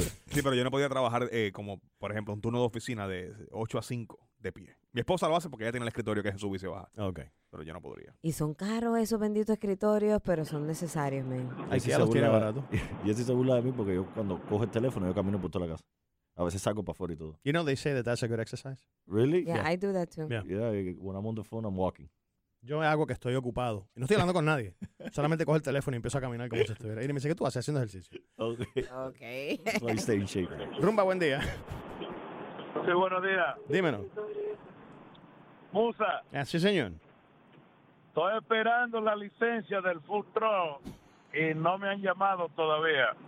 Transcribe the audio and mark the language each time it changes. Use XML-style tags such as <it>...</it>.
<es>Sí, pero yo no podía trabajar como, por ejemplo, un turno de oficina de 8 a 5 de pie. Mi esposa lo hace porque ella tiene el escritorio que es sube y se baja. Ok. Pero yo no podría. Y son caros esos benditos escritorios, pero son necesarios, men. Ay, si ya los tiene barato. Y así se burla de mí porque yo cuando cojo el teléfono, yo camino por toda la casa. A veces saco para afuera y todo.</es> <en>You know, they say that that's a good exercise. Really? Yeah, I do that too. Yeah, when I'm on the phone, I'm walking.</en> <es>Yo hago que estoy ocupado. Y no estoy hablando con nadie. Solamente cojo el teléfono y empiezo a caminar como si estuviera. Y me dice, ¿qué tú haces haciendo ejercicio? Ok. Ok.</es> <en>So I stay in shape.</en> <es>Rumba, buen día. Sí, buenos días. Dímelo. Musa. Sí, señor. Estoy esperando la licencia del food truck y no me han llamado todavía.</es>